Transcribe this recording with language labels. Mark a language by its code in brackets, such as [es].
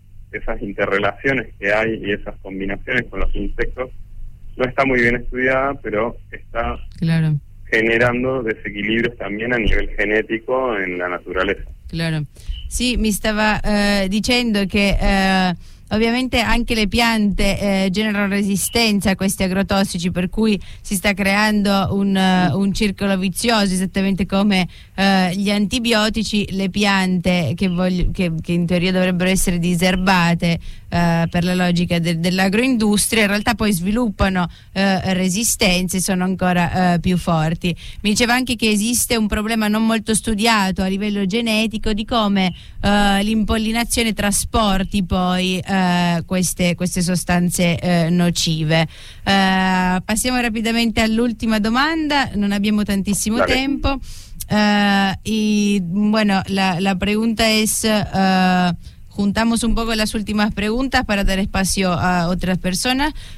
[es] esas interrelaciones que hay y esas combinaciones con los insectos, no está muy bien estudiada, pero está claro, generando desequilibrios también a nivel genético en la naturaleza. Claro. Sí, me estaba diciendo que [it] ovviamente anche le piante generano resistenza a questi agrotossici, per cui si sta creando un circolo vizioso, esattamente come gli antibiotici. Le piante che in teoria dovrebbero essere diserbate per la logica dell'agroindustria, in realtà poi sviluppano resistenze, sono ancora più forti. Mi diceva anche che esiste un problema non molto studiato a livello genetico di come l'impollinazione trasporti poi queste sostanze nocive. Passiamo rapidamente all'ultima domanda, non abbiamo tantissimo tempo. [es] La pregunta es, juntamos un poco las últimas preguntas para dar espacio a otras personas.